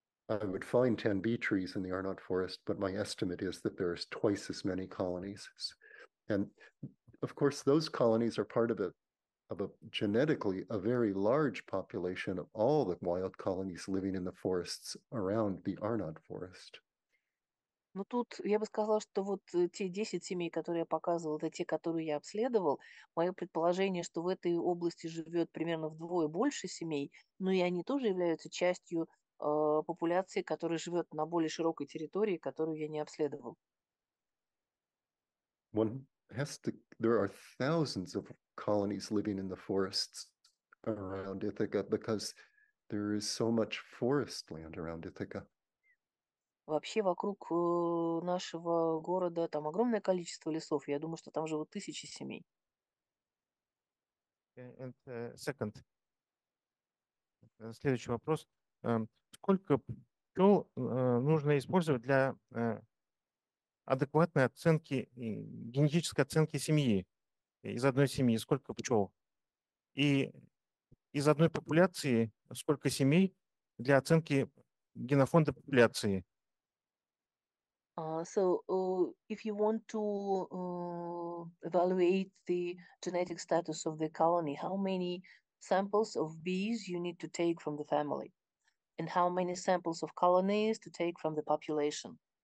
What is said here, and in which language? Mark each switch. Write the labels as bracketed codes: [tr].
[en] I would find 10 bee trees in the Arnott forest, but my estimate is that there's twice as many colonies. And of course, those colonies are part of a genetically a very large population of all the wild colonies living in the forests around the Arnott forest. [ru] Ну тут я бы сказала, что вот те 10 семей, которые я показывал, это те, которые я обследовал. Мое предположение, что в этой области живет примерно вдвое больше семей, но и они тоже являются частью популяции, которая живет на более широкой территории, которую я не обследовал. [en] One has to, there are thousands of colonies living in the forests around Ithaca because there is so much forest land around Ithaca. [ru] Вообще вокруг нашего города там огромное количество лесов. Я думаю, что там живут тысячи семей. [en] And second. [ru] Следующий вопрос. Сколько пчел нужно использовать для адекватной оценки, генетической оценки семьи из одной семьи? Сколько пчел? И из одной популяции сколько семей для оценки генофонда популяции? [en] If you want to evaluate the genetic status of the colony, how many samples of bees you need to take from the family? And how many samples of colonies to take from the population?